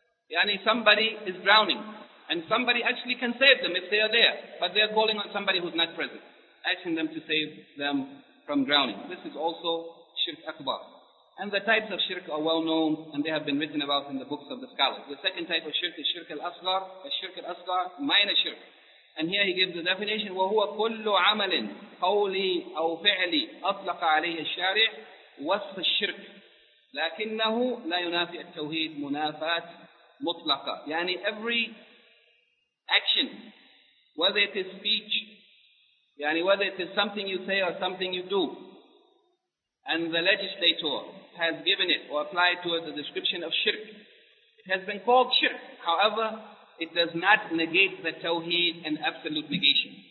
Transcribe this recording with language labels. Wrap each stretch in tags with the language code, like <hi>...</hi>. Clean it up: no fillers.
<en>Yani somebody is drowning, and somebody actually can save them if they are there, but they are calling on somebody who is not present, asking them to save them from drowning. This is also shirk akbar. And the types of shirk are well known, and they have been written about in the books of the scholars. The second type of shirk is shirk al-asghar, a shirk al-asghar, minor shirk. And here he gives the definition,</en> <ar>وَهُوَ كُلُّ عَمَلٍ قَوْلِي أَوْ فِعْلِي أَطْلَقَ عَلَيْهِ الشَّارِعِ وصف الشرك لكنه لا ينافي التوحيد منافات مطلقة.</ar> <en>يعني every action, whether it is speech, يعني whether it is something you say or something you do, and the legislator has given it or applied to it the description of shirk, it has been called shirk. However, it does not negate the tawheed in absolute negation.</en>